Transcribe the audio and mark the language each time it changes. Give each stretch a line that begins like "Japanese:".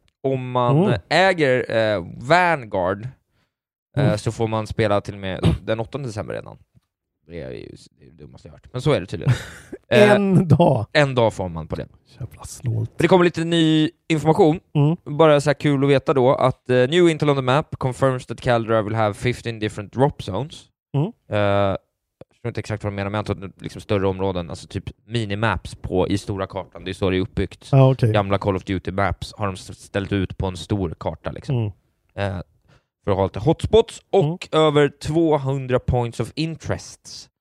Swedish: Om man äger Vanguard... Så får man spela till med den 8 december redan. Det är ju det måste jag hört. Men så är det tydligen. En dag får man på det. Jävla snålt. Det kommer lite ny information. Mm. Bara så här kul att veta då.
English: Att new intel on the map confirms that Caldera will have 15 different drop zones. Mm.
Swedish: Jag vet inte exakt vad de menar. Men jag antar att det är liksom större områden. Alltså typ minimaps på, i stora kartan. Det är så det är uppbyggt. Ah, okay. Gamla Call of Duty maps har de ställt ut på en stor karta. Liksom. Mm. För att ha lite hotspots och över 200 points of interest.